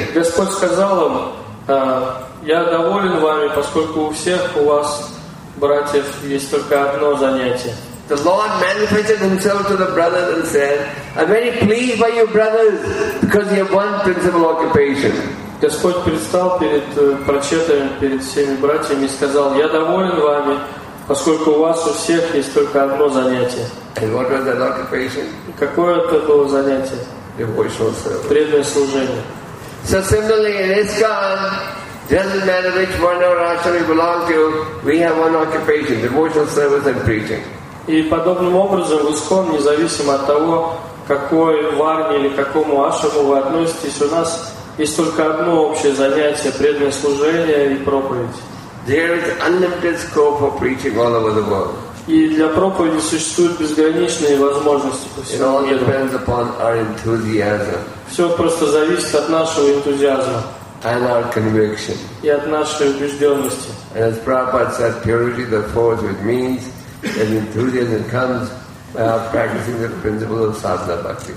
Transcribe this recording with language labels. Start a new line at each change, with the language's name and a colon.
Russian: Господь сказал им: я доволен вами, поскольку у всех у вас, братьев, есть только одно занятие.
English: The Lord manifested himself to the brothers and said, "I'm very pleased by you brothers, because you have one principal occupation."
Russian: Господь предстал перед прочитами, перед всеми братьями и сказал: я доволен вами, поскольку у вас у всех есть только одно занятие.
English: And what was that occupation?
Russian: Какое это было занятие?
English: Devotional service.
Russian: Преданное служение.
English: So similarly in ISKCON, doesn't matter which one or ashram we belong to, we have one occupation: devotional service and preaching.
Russian: И подобным образом в ISKCON, независимо от того, какой варне или какому ашраму вы относитесь, у нас есть только одно общее занятие – преданное служение и проповедь.
English: There is unlimited scope for preaching all over the world.
Russian: И для проповеди существуют безграничные возможности по всему миру.
English: It all depends upon our enthusiasm.
Russian: Все просто зависит от нашего энтузиазма.
English: And our conviction.
Russian: И от нашей убежденности.
English: And as Prabhupada said, purity the force which means that enthusiasm comes by our practicing the principle of sadhana bhakti.